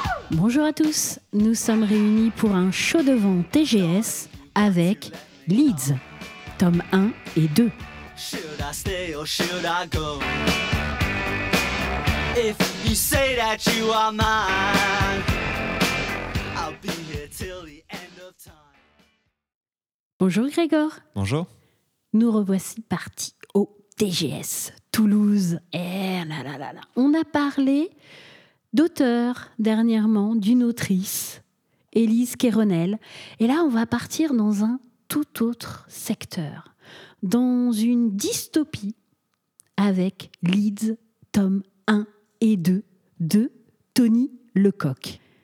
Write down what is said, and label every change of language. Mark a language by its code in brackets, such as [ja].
[fr] Bonjour à tous, nous sommes réunis pour un show devant TGS avec Leeds, tome 1 et 2. [en] Should I stay or should I go? If you say that you are mine, I'll be here till the end of time. [fr] Bonjour Grégor. Bonjour. Nous revoici partis au TGS Toulouse. Eh là là là là. On a parlé d'auteur dernièrement, d'une autrice, Élise Kerronel. Et là, on va partir dans un tout autre secteur, dans une dystopie avec Leeds, tome 1 et 2 de Tony Lecoq.